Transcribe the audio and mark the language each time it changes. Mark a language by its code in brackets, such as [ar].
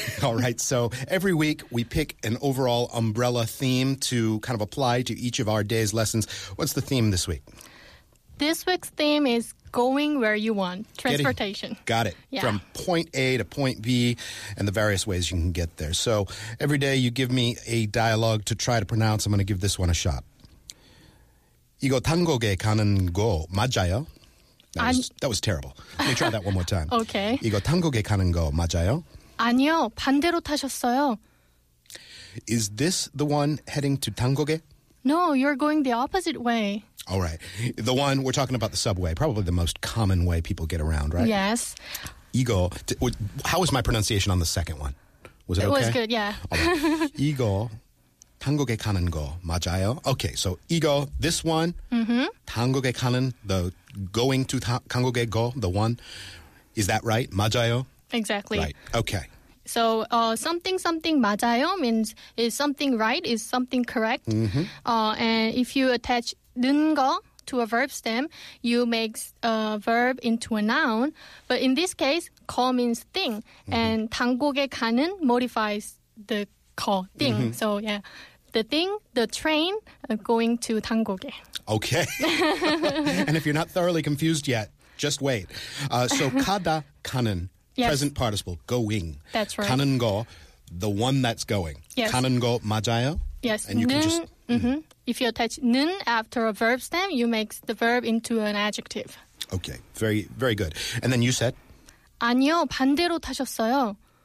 [en] All right. So every week we pick an overall umbrella theme to kind of apply to each of our day's lessons. What's the theme this week? This week's theme is going where you want. Transportation. Got it. Yeah. From point A to point B and the various ways you can get there. So every day you give me a dialogue to try to pronounce. I'm going to give this one a shot. [ko] 이거 탄국에 가는 거 맞아요? [en] That was terrible. Let me try that one more time. Okay. [ko] 이거 탄국에 가는 거 맞아요? 아니요, 반대로 타셨어요. [en] Is this the one heading to 탄국에? No, you're going the opposite way. All right. The one, we're talking about the subway, probably the most common way people get around, right? Yes. 이거, how was my pronunciation on the second one? Was it okay? It was good, yeah. [ko] 이거 탄국에 가는 거 맞아요? [en] Okay, so 이거, this one, [ko] 탄국에 가는, [en] the going to 탄국에 go, the one, is that right? [ko] 맞아요? [en] Exactly. Right, okay. So something something 맞아요 means is something right, is something correct. Mm-hmm. And if you attach 는 거 to a verb stem, you make a verb into a noun. But in this case, 거 means thing. Mm-hmm. And [ko] 당국에 가는 [en] modifies the 거, thing. Mm-hmm. So yeah, the thing, the train going to 당국에. Okay. And if you're not thoroughly confused yet, just wait. So [ko] 가다 가는. [en] Yes. Present participle, going. That's right. [ko] 가는 거, [en] the one that's going. Yes. [ko] 가는 거 맞아요? [en] Yes. And you [ko] 는, [en] can just... Mm-hmm. If you attach 는 after a verb stem, you make the verb into an adjective. Okay. Very, very good. And then you said? [ko] 아니요, 반대로 타셨어요.